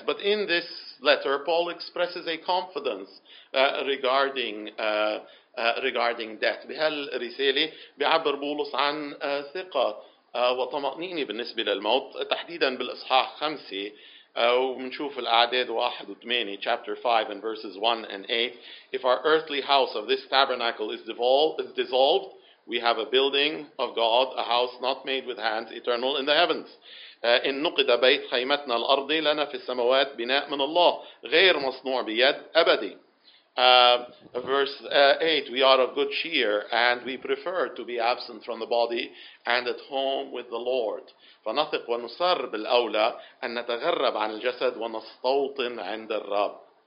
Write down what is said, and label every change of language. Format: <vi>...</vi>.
<en>But in this letter, Paul expresses a confidence regarding death.</en> <ar>بهالرسالة بيعبر بولس عن ثقة وطمأنينة بالنسبة للموت، تحديدا بالإصحاح 5 أو منشوف الأعداد 1-8,</ar> <en>chapter 5 and verses 1-8. If our earthly house of this tabernacle is dissolved, we have a building of God, a house not made with hands, eternal in the heavens.</en> <ar>إن نقد بيت خيمتنا الأرضي لنا في السماوات بناء من الله غير مصنوع بيد أبدي.</ar> <en>Verse 8, we are of good cheer and we prefer to be absent from the body and at home with the Lord.</en> <ar>فنثق ونصر بالأولى أن نتغرب عن الجسد ونستوطن عند الرب.</ar>